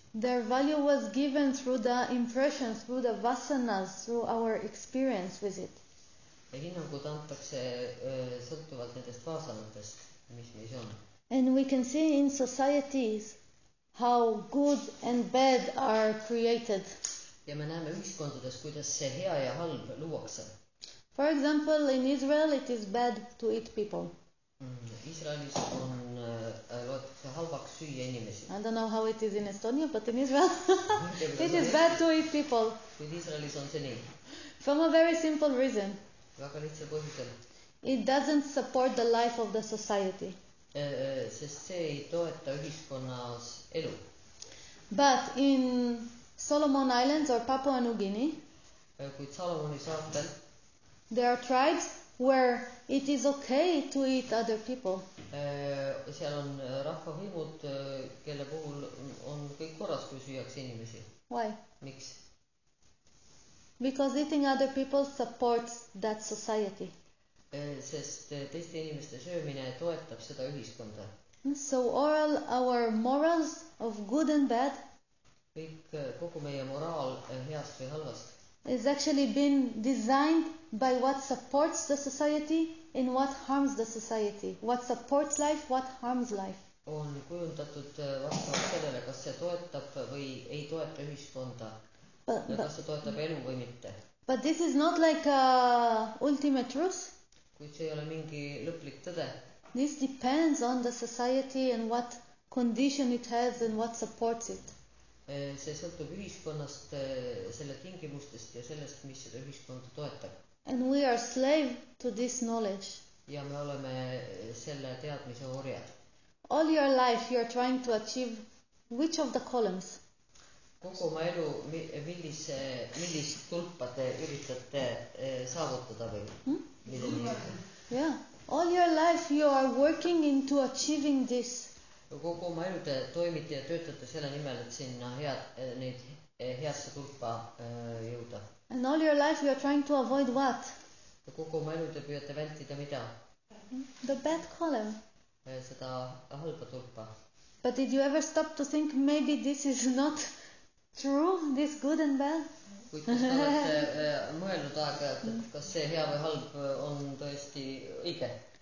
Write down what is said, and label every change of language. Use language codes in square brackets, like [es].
[en] Their value was given through the impressions, through the vasanas, through our experience with it. [et] Ja hinnangud antakse sõltuvalt nendest vasanatest, mis meis on. [en] And we can see in societies how good and bad are created. [et] Ja me näeme ühiskondades, kuidas see hea ja halb luuakse. [en] For example, in Israel it is bad to eat people. [et] Israelis on loetakse halvaks süüa inimesi. [en] I don't know how it is in Estonia, but in Israel it is bad to eat people. [et] Kuid Israelis on see nii. [en] From a very simple reason. [et] Väga lihtsal põhjusel. [en] It doesn't support the life of the society. [et] Sest see ei toeta ühiskonnas elu. [en] But in Solomon Islands or Papua New Guinea, [et] kuid Salomoni saartel, [en] there are tribes where it is okay to eat other people. [et] Seal on rahvahimud, kelle puhul on kõik korras, kui süüaks inimesi. [en] Why? [et] Miks? [en] Because eating other people supports that society. [et] Sest teiste inimeste söömine toetab seda ühiskonda. [en] So all our morals of good and bad, [et] kõik kogu meie moraal heast või halvast, [en] is actually been designed by what supports the society and what harms the society. What supports life, what harms life. [et] On kujundatud vastavalt sellele, kas see toetab või ei toeta ühiskonda. Ja kas see toetab elu või mitte. [en] But this is not like a ultimate truth. [et] Kui see ei ole mingi lõplik tõde. [en] This depends on the society and what condition it has and what supports it. [et] See sõltub ühiskonnast, selle tingimustest ja sellest, mis seda ühiskonda toetab. [en] And we are slave to this knowledge. [et] Ja me oleme selle teadmise orjad. [en] All your life you are trying to achieve which of the columns? [et] Kogu oma elu, millist tulpa te üritate saavutada või? [en] Yeah. All your life you are working into achieving this. [et] Kogu oma elu te toimite ja töötate selle nimel, et sinna neid heasse tulpa jõuda. [en] And all your life you are trying to avoid what? [et] Kogu oma elu te püüate vältida mida? [en] The bad column. [et] Seda halba tulpa. [en] But did you ever stop to think maybe this is not true, this good and bad? [et] Kuid kas olete mõelnud aega, et kas see hea või halb on tõesti õige?